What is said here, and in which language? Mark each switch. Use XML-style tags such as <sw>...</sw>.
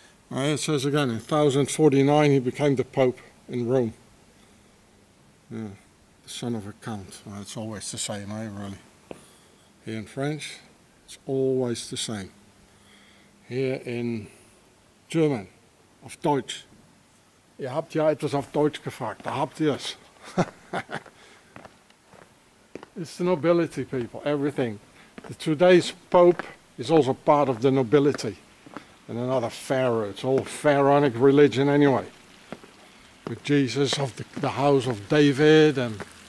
<en>Yeah. Well, it says again, in 1049 he became the Pope in Rome. Yeah. The son of a count. Well, it's always the same, eh, really. Here in French, it's always the same. Here in German,</en> <de>auf Deutsch. Ihr habt ja etwas auf Deutsch gefragt, da habt ihr es.</de> <en>It's the nobility, people, everything. The today's Pope is also part of the nobility. And another Pharaoh. It's all pharaonic religion anyway. With Jesus of the house of David and</en>